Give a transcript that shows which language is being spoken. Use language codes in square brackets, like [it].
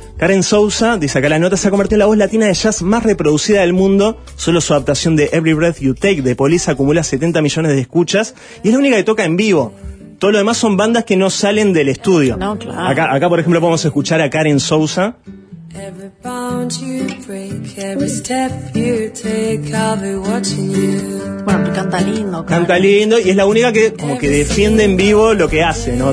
[es] Karen Souza, dice acá la nota, se ha convertido en la voz latina de jazz más reproducida del mundo. Solo su adaptación de Every Breath You Take de Police acumula 70 millones de escuchas y es la única que toca en vivo. Todo lo demás son bandas que no salen del estudio. No, claro. Acá, por ejemplo, podemos escuchar a Karen Souza. [en] Every bound you break, every step you take, I'll be watching you. [es] Bueno, canta lindo, Karen. Canta lindo y es la única que como que defiende en vivo lo que hace, ¿no?